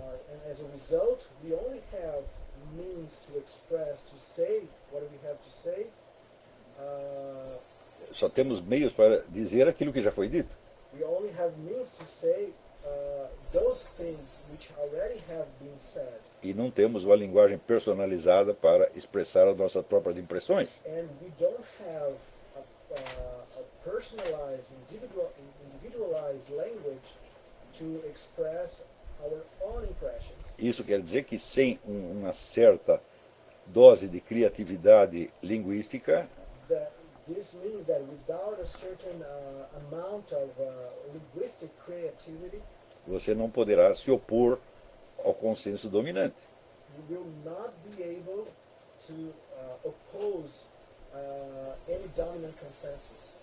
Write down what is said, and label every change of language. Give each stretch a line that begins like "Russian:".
English: And as a result, we only have means to express, to say what we have to say.
Portuguese: Só temos meios para dizer aquilo que já foi dito.
English: We only have means to say those things which already have been said.
Portuguese: E não temos uma linguagem personalizada para expressar as nossas próprias impressões.
English: And we don't have a personalized, individualized language to express our own impressions.
Portuguese: Isso quer dizer que sem uma certa dose de criatividade linguística,
English: this means that without a certain amount of linguistic creativity,
Portuguese: você não poderá se opor ao consenso dominante.
English: You will not be able to oppose any dominant consensus.